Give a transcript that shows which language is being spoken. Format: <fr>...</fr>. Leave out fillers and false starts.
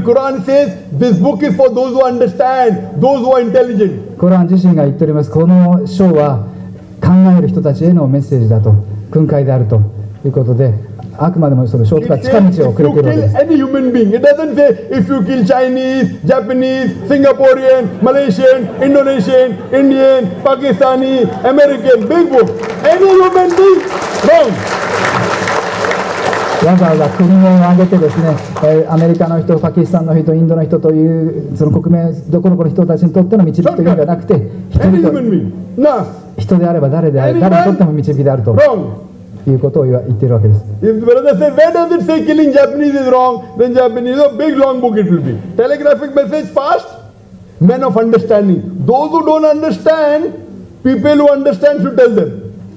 <en>Quran says this book is for those who understand, those who are intelligent.</en> <ja>コラン自身が言っております。この章は考える人たちへのメッセージだと、訓戒であるということで。あくまでもその正体、近道をくれているわけです。</ja> <en>It says if you kill any human being. It doesn't say if you kill Chinese, Japanese, Singaporean, Malaysian, Indonesian, Indian, Pakistani, American, big book. Any human being, wrong.</en> <ja>わざわざ国名を挙げてですね、アメリカの人、パキスタンの人、インドの人という、その国名どころの人たちにとっての導きというのではなくて、人であれば誰であれ、誰にとっても導きであると。</ja> <en>Wrong.</en> <ja>いうことを言っているわけです。If</ja> <en>where does it say killing Japanese is wrong, then Japanese, a big long book it will be. Telegraphic message, fast. Men of understanding. Those who don't understand, people who understand should tell them.</en>